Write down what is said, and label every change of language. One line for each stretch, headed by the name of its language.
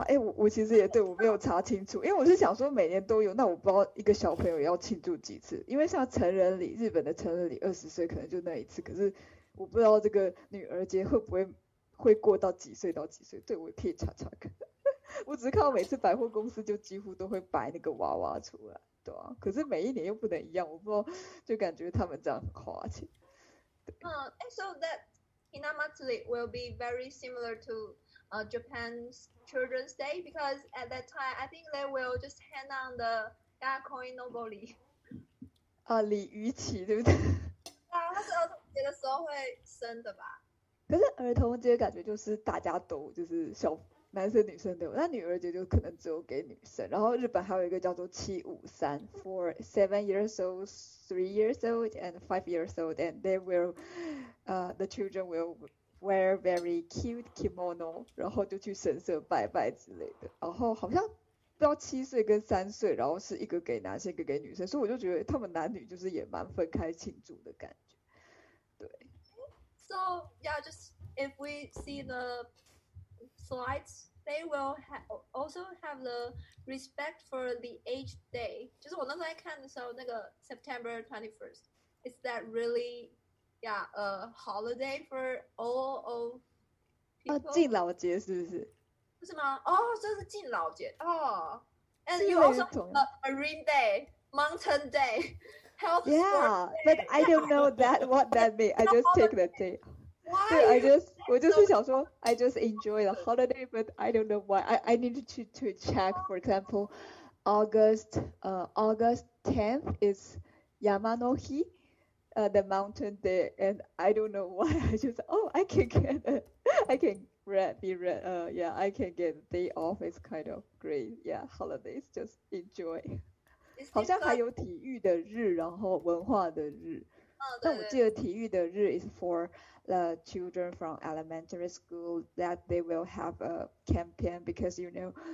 Chinese: 哎、欸，我其实也对我没有查清楚，因为我是想说每年都有，那我不知道一个小朋友要庆祝几次，因为像成人礼，日本的成人礼20岁可能就那一次，可是我不知道这个女儿节会不会过到几岁到几岁，对，我也可以查查看。我只是看到每次百货公司就几乎都会摆那个娃娃出来，对啊，可是每一年又不能一样，我不知道，就感觉他们这样很花钱。
English: 嗯，so that Hinamatsuri will be very similar to。 Japan's Children's Day, because at that time, I think they will just hang on the Yakoi Nobori.
Chinese: 啊，鲤鱼旗，对不对？啊，他是儿童节的时候会生的吧？可是儿童节感觉就是大家都就是小男生女生都有，那女儿节就可能只有给女生。然后日本还有一个叫做753
English: for 7 years old, 3 years old, and 5 years old, and they will, the children will. wear very cute kimono,
Chinese: 然后就去神社拜拜之类的。然后好像不知道7岁跟3岁，然后是一个给男生，一个给女生，所以我就觉得他们男女就是也蛮分开庆祝的感觉。对。
English: So yeah, just if we see the slides, they will also have the respect for the age day.
Chinese: 就是我那时候看的时候，那个
English: September 21st, is that really? Yeah, a holiday for all of people.
Chinese: 啊，敬老节是不是？不是吗？哦，这是敬老节哦。
English: And you also have a Marine Day, Mountain Day, Health Day. Yeah, but I don't know that what that means. I just take the day. Why? I just,
Chinese: 我就是想说
English: I just enjoy the holiday, but I don't know why. I need to check. For example, August 10th is Yamanohi. The mountain day, and I don't know why. I just, oh, I can get it. I can be read. Yeah, I can get a day off. It's kind of great. Yeah, holidays, just enjoy.
Chinese: 好像还有体育的日，然后文化的日。但我记得体育的日
English: is for the children from elementary school that they will have a campaign because you know,